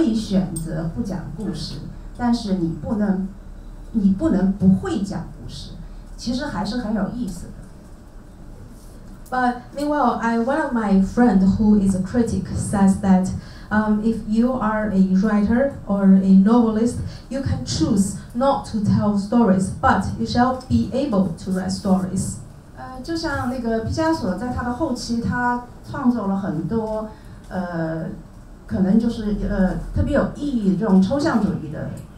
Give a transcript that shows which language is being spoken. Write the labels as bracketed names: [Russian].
[Chinese] 但与此同时，我特别同意我一位评论家朋友说的一句话，他说，你作为一个作家，作为一个小说家，你可以选择不讲故事。但是你不能不会讲故事，其实还是很有意思的。 [English] But meanwhile, one of my friend who is a critic says that if you are a writer or a novelist, you can choose not to tell stories, but you shall be able to write stories. [Chinese] 就像那个毕加索在他的后期，他创作了很多，可能就是特别有意义这种抽象主义的。